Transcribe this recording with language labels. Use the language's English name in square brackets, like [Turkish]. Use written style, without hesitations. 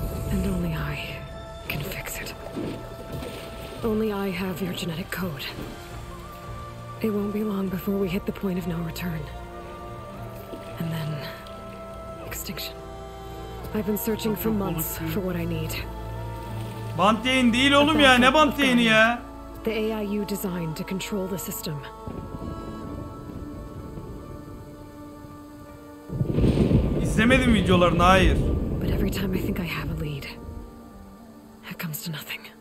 [English] And only I can fix it. Only I have your genetic code. It won't be long before we hit the point of no return. And then... extinction. I've been searching for months for what I need. [Turkish] Bant yayın değil oğlum ya, ne bant yayını ya? [English] The AI you designed to control the system. [Turkish] İzlemedim videolarını, hayır. [English] but every time I think I have a lead, it comes to nothing.